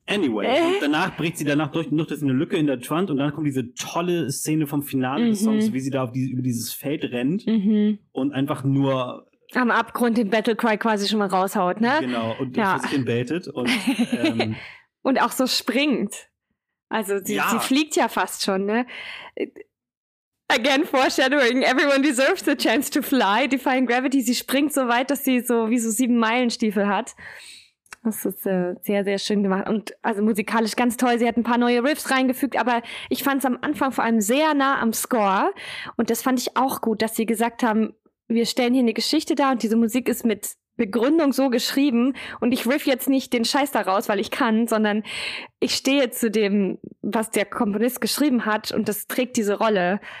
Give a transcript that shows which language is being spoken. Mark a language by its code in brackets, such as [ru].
[de] Und danach bricht sie danach durch, noch eine Lücke in der Wand und dann kommt diese tolle Szene vom Finale des Songs, wie sie da über dieses Feld rennt und einfach nur am Abgrund den Battlecry quasi schon mal raushaut, ne? Genau, und für sich hin betet. Und, und auch so springt. Also sie fliegt ja fast schon, ne? [en] Again, foreshadowing, everyone deserves the chance to fly, defying gravity. [de] Sie springt so weit, dass sie so wie so 7-Meilen-Stiefel hat. Das ist sehr, sehr schön gemacht. Und also musikalisch ganz toll. Sie hat ein paar neue Riffs reingefügt, aber ich fand es am Anfang vor allem sehr nah am Score. Und das fand ich auch gut, dass sie gesagt haben, wir stellen hier eine Geschichte dar und diese Musik ist mit Begründung so geschrieben und ich riff jetzt nicht den Scheiß daraus, weil ich kann, sondern ich stehe zu dem, was der Komponist geschrieben hat und das trägt diese Rolle.